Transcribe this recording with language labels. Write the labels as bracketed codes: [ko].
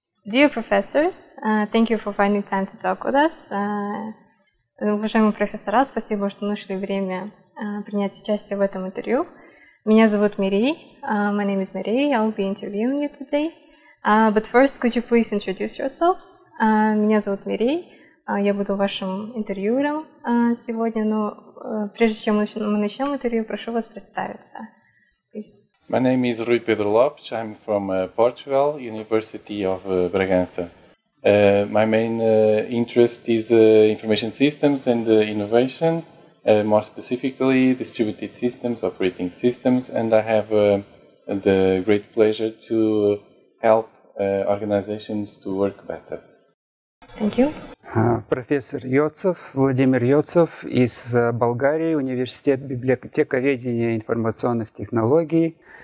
[en] Dear professors, thank you for finding time to talk with us. [ru] Уважаемые профессора, спасибо, что нашли время принять участие в этом интервью. Меня зовут Мири. [en] My name is Mary. I'll be interviewing you today. But first, could you please introduce yourselves? [ru] Меня зовут Мири. Я буду вашим интервьюером сегодня. Но прежде чем мы начнем интервью, прошу вас представиться. [en] Please. My name is Rui Pedro Lopes. I'm from Portugal, University of Bragança. My main interest is information systems and innovation, more specifically distributed systems, operating systems, and I have the great pleasure to help organizations to work better. Thank you. [ru] Профессор Йоцов, Владимир Йоцов из Болгарии, Университет библиотековедения и информационных технологий.